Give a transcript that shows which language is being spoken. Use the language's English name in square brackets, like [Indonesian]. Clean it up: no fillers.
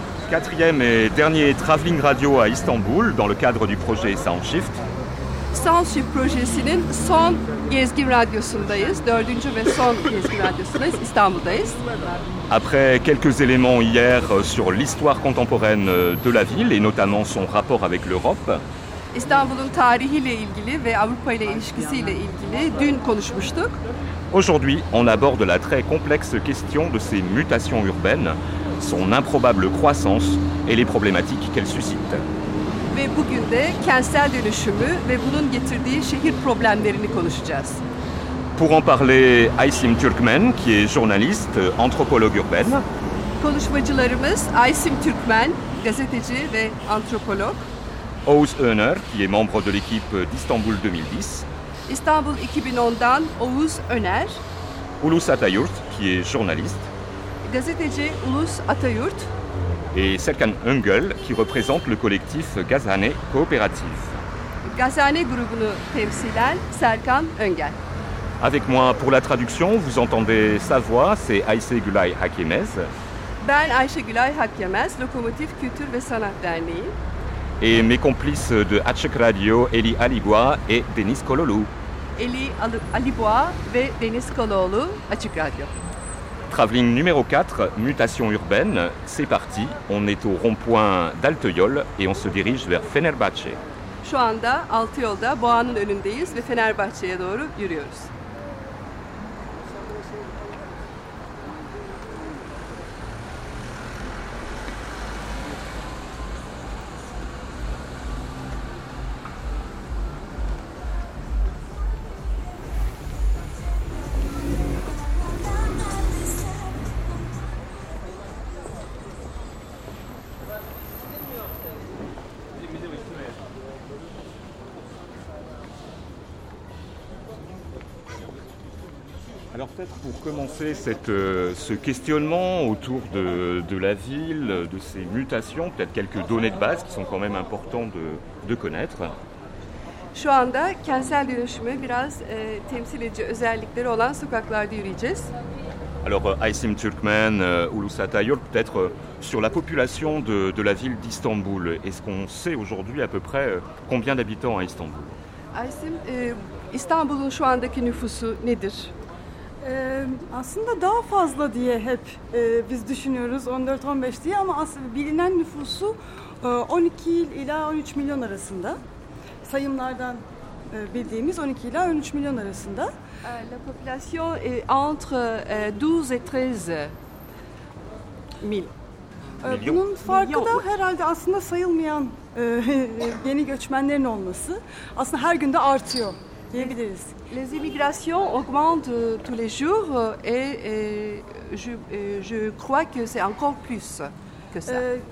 [French] Quatrième et dernier travelling radio à Istanbul dans le cadre du projet Soundshift. [Turkish] Soundshift projesinin son gezgi radyosundayız. Dördüncü ve son gezgi radyosundayız. İstanbul'dayız. [French] Après quelques éléments hier sur l'histoire contemporaine de la ville et notamment son rapport avec l'Europe. [Turkish] İstanbul'un tarihiyle ilgili ve Avrupa ile ilişkisiyle ilgili dün konuşmuştuk. [French] Aujourd'hui, on aborde la très complexe question de ces mutations urbaines, son improbable croissance et les problématiques qu'elle suscite. [Turkish] Ve bugün de kentsel dönüşümü ve bunun getirdiği şehir problemlerini konuşacağız. [French] Pour en parler, Aysim Türkmen, qui est journaliste, anthropologue urbaine. [Turkish] Konuşmacılarımız Aysim Türkmen, gazeteci ve antropolog. [French] Oğuz Öner, qui est membre de l'équipe d'Istanbul 2010. [Turkish] İstanbul 2010'dan Oğuz Öner. [French] Ulus Atayurt, qui est journaliste. [Turkish] Gazeteci Ulus Atayurt. [French] Et Serkan Öngöl, qui représente le collectif Gazhane Coopérative. [Turkish] Gazhane grubunu temsilen Serkan Öngöl. [French] Avec moi pour la traduction, vous entendez sa voix, c'est Ayşe Gülay Hakyemez. [Turkish] Ben Ayşe Gülay Hakyemez, Lokomotif Kültür ve Sanat Derneği. [French] Et mes complices de Açık Radio, Eli Aliboua et Deniz Kololu. [Turkish] Eli Aliboua ve Deniz Kololu, Açık Radio. [French] Travelling numéro 4, mutation urbaine, c'est parti. On est au rond-point d'Altyol et on se dirige vers Fenerbahçe. [Turkish] Şu anda Altyol'da Boğa'nın önündeyiz ve Fenerbahçe'ye doğru yürüyoruz. [French] Alors peut-être pour commencer ce questionnement autour de la ville, de ses mutations, peut-être quelques données de base qui sont quand même importantes de connaître. [Turkish] Şu anda kentsel dönüşümü biraz temsil edici özellikleri olan sokaklarda yürüyeceğiz. [French] Alors Aysim Türkmen, Ulus Atayurt, peut-être sur la population de la ville d'Istanbul, est-ce qu'on sait aujourd'hui à peu près combien d'habitants à Istanbul? [Turkish] Aysim, İstanbul'un şu andaki nüfusu nedir? Aslında daha fazla diye hep biz düşünüyoruz 14-15 diye ama aslında bilinen nüfusu 12 ila 13 milyon arasında. Sayımlardan bildiğimiz 12 ila 13 milyon arasında. [French] La population est entre 12 et 13 [Turkish] milyon. Bunun farkı da herhalde aslında sayılmayan yeni göçmenlerin olması. Aslında her günde artıyor. [French] Les immigrations augmentent tous les jours et je crois que c'est encore plus que ça.